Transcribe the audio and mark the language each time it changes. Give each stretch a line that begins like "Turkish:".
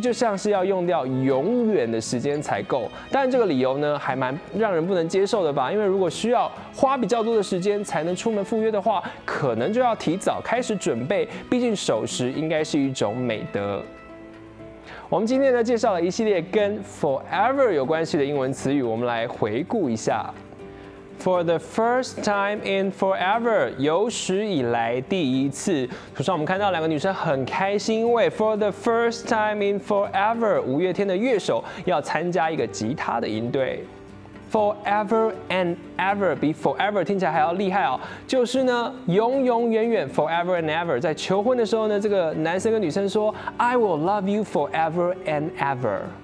Chinese: 就像是要用掉永远的时间才够，但这个理由呢，还蛮让人不能接受的吧？因为如果需要花比较多的时间才能出门赴约的话，可能就要提早开始准备，毕竟守时应该是一种美德。我们今天呢，介绍了一系列跟 forever 有关系的英文词语，我们来回顾一下。
English: For the first time in forever，
Chinese: 有史以来第一次。图上我们看到两个女生很开心，因为
English: for the first time in forever，
Chinese: 五月天的乐手要参加一个吉他的营队。
English: Forever and ever
Chinese: 比 forever 听起来还要厉害哦，就是呢永永远远
English: forever and ever。
Chinese: 在求婚的时候呢，这个男生跟女生说 ，
English: I will love you forever and ever。